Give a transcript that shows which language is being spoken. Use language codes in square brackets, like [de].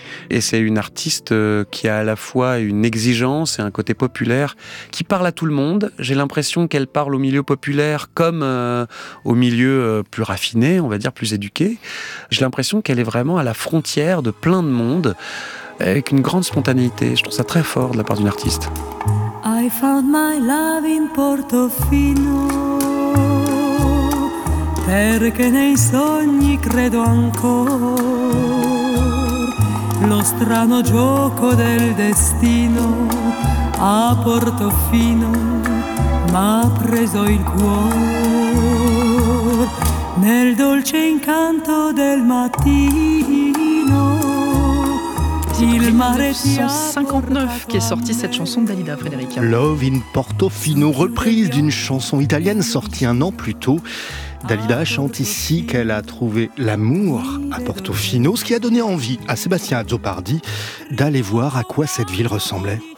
[fr] Et c'est une artiste qui a à la fois une exigence et un côté populaire qui parle à tout le monde. J'ai l'impression qu'elle parle au milieu populaire comme au milieu plus raffiné, on va dire plus éduqué. J'ai l'impression qu'elle est vraiment à la frontière de plein de monde avec une grande spontanéité. Je trouve ça très fort de la part d'une artiste. [en] I found my love in Portofino, [it] perché nei sogni credo ancora. Lo strano gioco del destino a Portofino m'ha preso il cuore. Nel dolce incanto del mattino. [fr] Il mare 1959 qui est sortie cette chanson de Dalida, Frédéric. Love in Portofino, reprise d'une chanson italienne sortie un an plus tôt. Dalida chante ici qu'elle a trouvé l'amour à Portofino, ce qui a donné envie à Sébastien Azzopardi d'aller voir à quoi cette ville ressemblait.